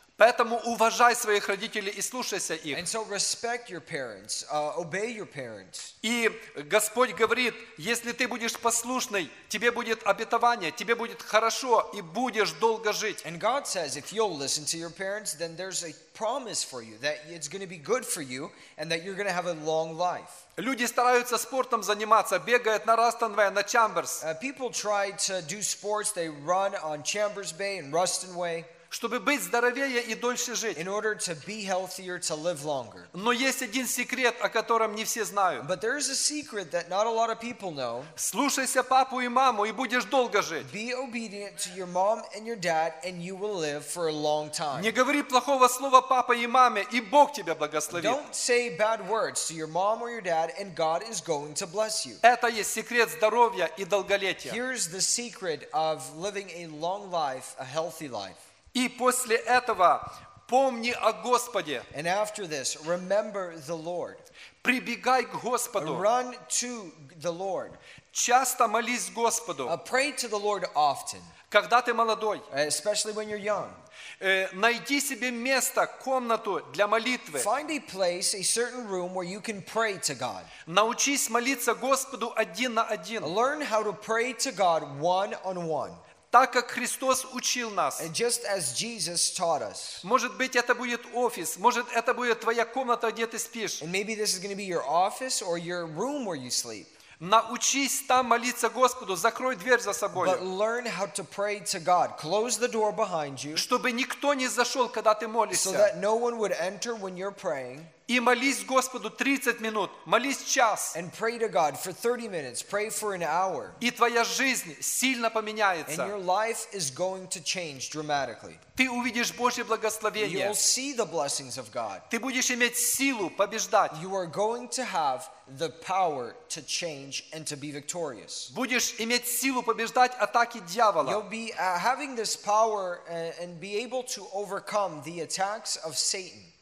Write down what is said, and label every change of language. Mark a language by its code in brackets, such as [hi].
[ru] Поэтому уважай своих родителей и слушайся их. [en] And so respect your parents, obey your parents. [ru] И Господь говорит: если ты будешь послушный, тебе будет обетование, тебе будет хорошо и будешь долго жить. [en] And God says, if you'll listen to your parents, then there's a promise for you that it's going to be good for you and that you're going to have a long life. [ru] Люди стараются спортом заниматься, бегают на Растонвей, на Чамберс. [en] People try to do sports, they run on Chambers Bay and Rustonway. [ru] Чтобы быть здоровее и дольше жить. [en] In order to be healthier, to live longer. [ru] Но есть один секрет, о котором не все знают. [en] But there is a secret that not a lot of people know. [ru] Слушайся папу и маму, и будешь долго жить. [en] Be obedient to your mom and your dad, and you will live for a long time. [ru] Не говори плохого слова папа и маме, и Бог тебя благословит. [en] Don't say bad words to your mom or your dad, and God is going to bless you. [ru] Это есть секрет здоровья и долголетия. [en] Here's the secret of living a long life, a healthy life. [ru] И после этого помни о Господе. [en] And after this, remember the Lord. [ru] Прибегай к Господу. [en] Run to the Lord. [ru] Часто молись Господу. [en] Pray to the Lord often. [ru] Когда ты молодой. [en] Especially when you're young. [ru] Найди себе место, комнату для молитвы. [en] Find a place, a certain room where you can pray to God. [ru] Научись молиться Господу один на один. [en] Learn how to pray to God one on one. [ru] Так как Христос учил нас. [en] And just as Jesus taught us. [ru] Может быть, это будет офис, может это будет твоя комната, где ты спишь. [en] And maybe this is going to be your office or your room where you sleep. [ru] Научись там молиться Господу, закрой дверь за собой. [en] But learn how to pray to God. Close the door behind you. [ru] Чтобы никто не зашел, когда ты молишься. [en] So that no one would enter when you're praying. [ru] И молись Господу 30 минут, молись час. [en] And pray to God for 30 minutes, pray for an hour. [ru] И твоя жизнь сильно поменяется. [en] And your life is going to change dramatically. [ru] Ты увидишь Божье благословение. [en] You'll see the blessings of God. [ru] Ты будешь иметь силу побеждать. [en] You are going to have the power to change and to be victorious. [ru] Будешь иметь силу побеждать атаки дьявола. [en] You'll be having this power and be able to overcome the attacks of Satan.